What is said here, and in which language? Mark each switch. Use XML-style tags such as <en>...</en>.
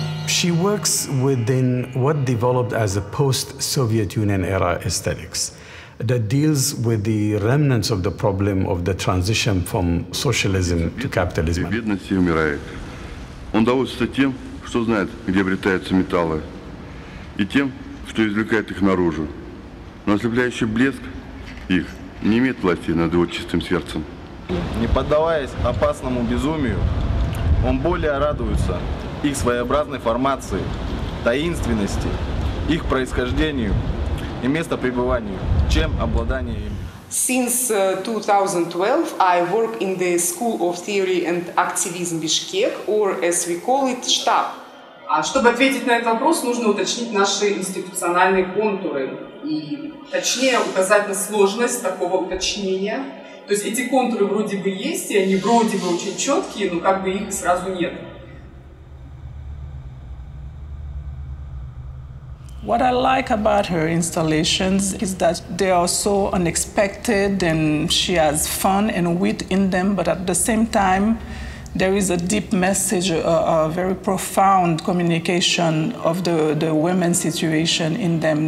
<en>She works within what developed as a post-Soviet Union era aesthetics that deals with the remnants of the problem of the transition from socialism to capitalism.</en> <ru>Он доводится тем, что знает, где обретаются металлы, и тем, что извлекает их наружу. Но ослепляющий блеск их не имеет власти над его чистым сердцем. Не поддаваясь опасному безумию, он более радуется их своеобразной формации, таинственности, их происхождению и место пребыванию, чем обладание им.</ru> <en>Since 2012, I work in the School of Theory and Activism Bishkek, or as we call it, штаб.</en> <ru>Чтобы ответить на этот вопрос, нужно уточнить наши институциональные контуры и точнее указать на сложность такого уточнения. То есть эти контуры вроде бы есть, и они вроде бы очень четкие, но как бы их сразу нет.</ru> <en>What I like about her installations is that they are so unexpected and she has fun and wit in them, but at the same time, there is a deep message, a very profound communication of the women's situation in them.</en>